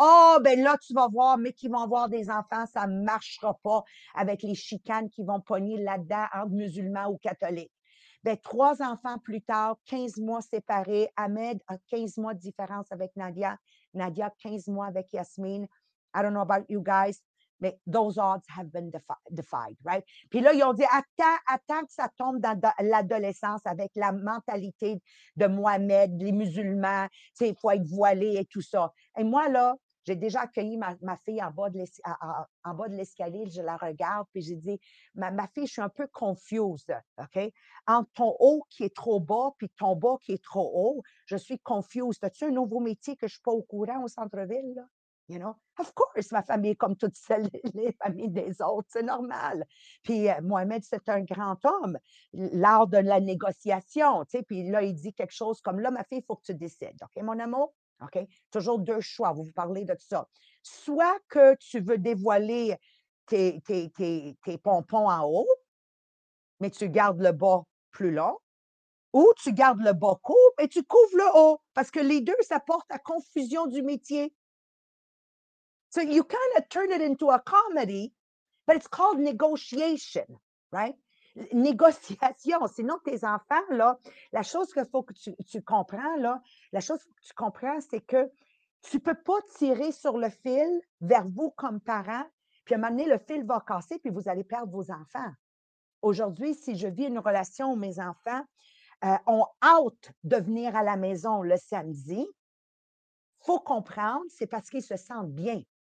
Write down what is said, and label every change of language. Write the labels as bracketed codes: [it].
[fr] Oh, ben là, tu vas voir, mais qu'ils vont avoir des enfants, ça ne marchera pas avec les chicanes qui vont pogner là-dedans entre musulmans ou catholiques. Ben, 3 enfants plus tard, 15 mois séparés, Ahmed a 15 mois de différence avec Nadia, Nadia 15 mois avec Yasmine. [en] I don't know about you guys, but those odds have been defied, right? [fr] Puis là, ils ont dit, attends que ça tombe dans l'adolescence avec la mentalité de Mohamed, les musulmans, tu sais, il faut être voilé et tout ça. Et moi, là, j'ai déjà accueilli ma fille en bas de l'escalier, je la regarde, puis j'ai dit, ma fille, je suis un peu confuse, OK? Entre ton haut qui est trop bas, puis ton bas qui est trop haut, je suis confuse. As-tu un nouveau métier que je ne suis pas au courant au centre-ville, là? [en] You know, of course, [fr] ma famille est comme toutes celles, les familles des autres, c'est normal. Puis Mohamed, c'est un grand homme, l'art de la négociation, tu sais. Puis là, il dit quelque chose comme, là, ma fille, il faut que tu décides, OK, mon amour? OK, toujours 2 choix, vous parlez de tout ça. Soit que tu veux dévoiler tes pompons en haut, mais tu gardes le bas plus long, ou tu gardes le bas court et tu couvres le haut, parce que les deux, ça porte à confusion du métier. [en] So you kind of turn it into a comedy, but it's called negotiation, right? [fr] Négociation. Sinon, tes enfants, là, la chose qu'il faut que tu comprends, là, la chose que tu comprends, c'est que tu ne peux pas tirer sur le fil vers vous comme parents, puis à un moment donné, le fil va casser, puis vous allez perdre vos enfants. Aujourd'hui, si je vis une relation où mes enfants ont hâte de venir à la maison le samedi, il faut comprendre, c'est parce qu'ils se sentent bien.